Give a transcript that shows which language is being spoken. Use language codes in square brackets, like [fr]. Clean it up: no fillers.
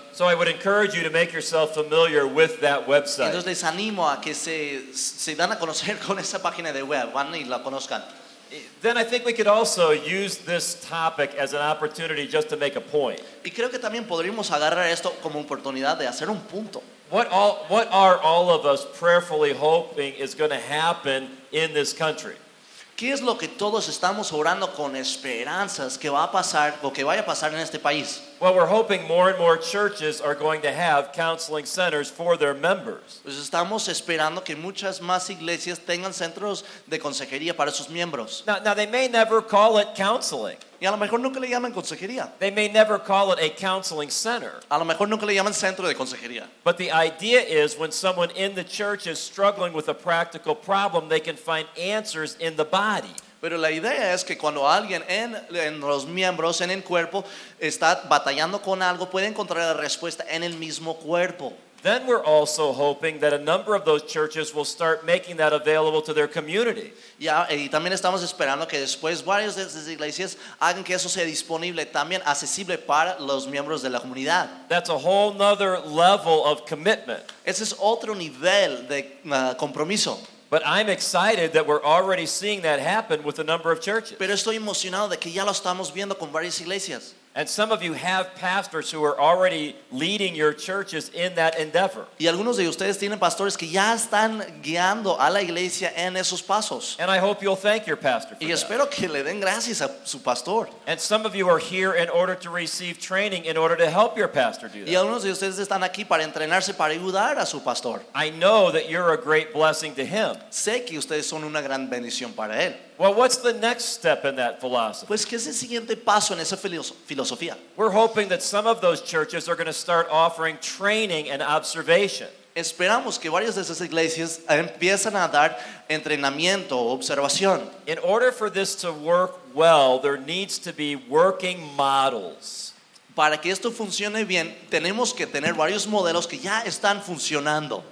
[en] So I would encourage you to make yourself familiar with that website. [es] Entonces les animo a que se dan a conocer con esa página de web, van y la conozcan. [en] Then I think we could also use this topic as an opportunity just to make a point. [es] Y creo que también podríamos agarrar esto como oportunidad de hacer un punto. [en] What are all of us prayerfully hoping is going to happen in this country? [es] ¿Qué es lo que todos estamos orando con esperanzas que va a pasar o que vaya a pasar en este país? [en] Well, we're hoping more and more churches are going to have counseling centers for their members. [es] Pues estamos esperando que muchas más iglesias tengan centros de consejería para sus miembros. [en] Now they may never call it counseling. [es] Y a lo mejor nunca le llaman consejería. [en] They may never call it a counseling center. [es] A lo mejor nunca le llaman centro de consejería. [en] But the idea is when someone in the church is struggling with a practical problem, they can find answers in the body. [es] Pero la idea es que cuando alguien en los miembros, en el cuerpo, está batallando con algo, puede encontrar la respuesta en el mismo cuerpo. [en] Then we're also hoping that a number of those churches will start making that available to their community. [es] Y también estamos esperando que después varias de esas iglesias hagan que eso sea disponible, también accesible para los miembros de la comunidad. [en] That's a whole nother level of commitment. [es] Ese es otro nivel de compromiso. [en] But I'm excited that we're already seeing that happen with a number of churches. [es] Pero estoy emocionado de que ya lo estamos viendo con varias iglesias. [en] And some of you have pastors who are already leading your churches in that endeavor. [es] Y algunos de ustedes tienen pastores que ya están guiando a la iglesia en esos pasos. [en] And I hope you'll thank your pastor for that. [es] Y espero que le den gracias a su pastor. [en] And some of you are here in order to receive training in order to help your pastor do that. [es] Y algunos de ustedes están aquí para entrenarse para ayudar a su pastor. [en] I know that you're a great blessing to him. [es] Sé que ustedes son una gran bendición para él. [en] Well, what's the next step in that philosophy? [es] Pues, ¿qué es el siguiente paso en esa filosofía? [en] We're hoping that some of those churches are going to start offering training and observation. [es] Esperamos que varias de esas iglesias empiecen a dar entrenamiento o observación. [en] In order for this to work well, there needs to be working models. [es] Para que esto funcione bien, tenemos que tener varios modelos que ya están funcionando.